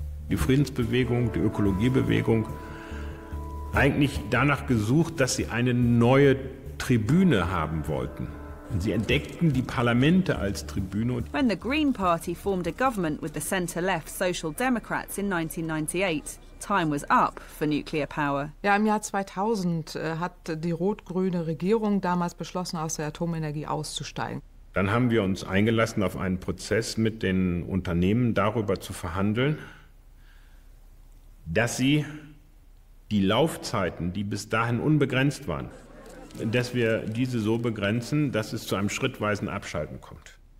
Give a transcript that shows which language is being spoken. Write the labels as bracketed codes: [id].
[de] Die Friedensbewegung, die Ökologiebewegung, eigentlich danach gesucht, dass sie eine neue Tribüne haben wollten. Und sie entdeckten die Parlamente als Tribüne. [en] When the Green Party formed a government with the center-left Social Democrats in 1998, time was up for nuclear power. [de] Ja, im Jahr 2000 hat die rot-grüne Regierung damals beschlossen, aus der Atomenergie auszusteigen. Dann haben wir uns eingelassen, auf einen Prozess mit den Unternehmen darüber zu verhandeln, dass sie die Laufzeiten, die bis dahin unbegrenzt waren, dass wir diese so begrenzen, dass es zu einem schrittweisen Abschalten kommt.